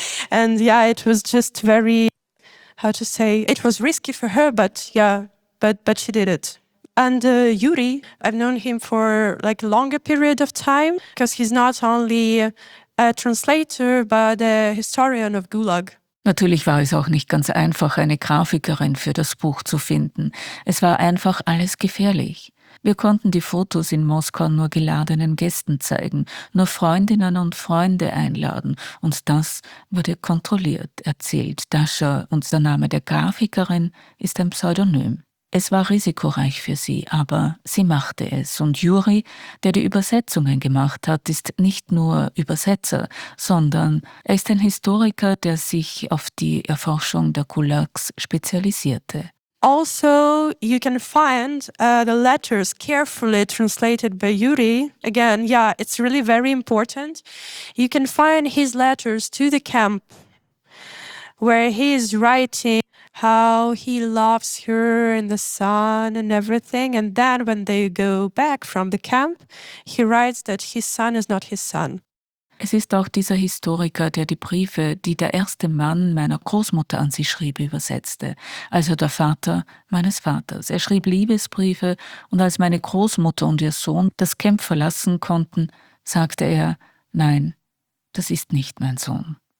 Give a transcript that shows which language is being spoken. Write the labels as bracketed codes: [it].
[en] And yeah, it was just very, it was risky for her, but she did it. And Yuri, I've known him for a longer period of time, because he's not only a translator, but a historian of Gulag. [de] Natürlich war es auch nicht ganz einfach, eine Grafikerin für das Buch zu finden. Es war einfach alles gefährlich. Wir konnten die Fotos in Moskau nur geladenen Gästen zeigen, nur Freundinnen und Freunde einladen. Und das wurde kontrolliert, erzählt Dascha. Und der Name der Grafikerin ist ein Pseudonym. Es war risikoreich für sie, aber sie machte es. Und Juri, der die Übersetzungen gemacht hat, ist nicht nur Übersetzer, sondern er ist ein Historiker, der sich auf die Erforschung der Gulags spezialisierte. [en] Also, you can find the letters carefully translated by Yuri. Again, yeah, it's really very important. You can find his letters to the camp where he is writing how he loves her in the sun and everything. And then when they go back from the camp, he writes that his son is not his son. [de] Es ist auch dieser Historiker, der die Briefe, die der erste Mann meiner Großmutter an sie schrieb, übersetzte. Also der Vater meines Vaters. Er schrieb Liebesbriefe, und als meine Großmutter und ihr Sohn das Camp verlassen konnten, sagte er, nein, das ist nicht mein Sohn.